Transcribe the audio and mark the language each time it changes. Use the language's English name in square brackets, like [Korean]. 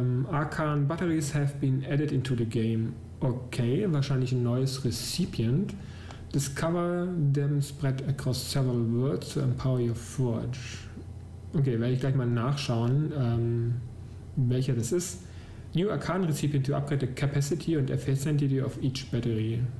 [English] Arcane Batteries have been added into the game. [German] Okay, wahrscheinlich ein neues Recipient. [English] Discover them spread across several worlds to empower your forge. [German] Okay, werde ich gleich mal nachschauen, welcher das ist. [English] New Arcane Recipient to upgrade the capacity and efficiency of each battery.